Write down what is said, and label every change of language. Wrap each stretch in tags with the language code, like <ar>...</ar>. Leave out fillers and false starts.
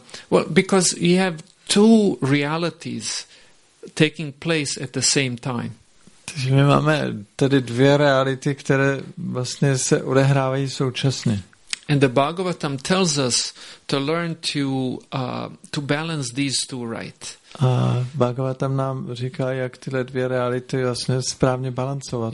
<en>Well, because you have two realities taking place at the same time.</en> <cs>Takže my máme tady dvě reality, které vlastně se odehrávají současně.</cs> <en>And the Bhagavatam tells us to learn to balance these two right.</en> <cs>A Bhagavatam nám říká, jak tyhle dvě reality vlastně správně balancovat.</cs>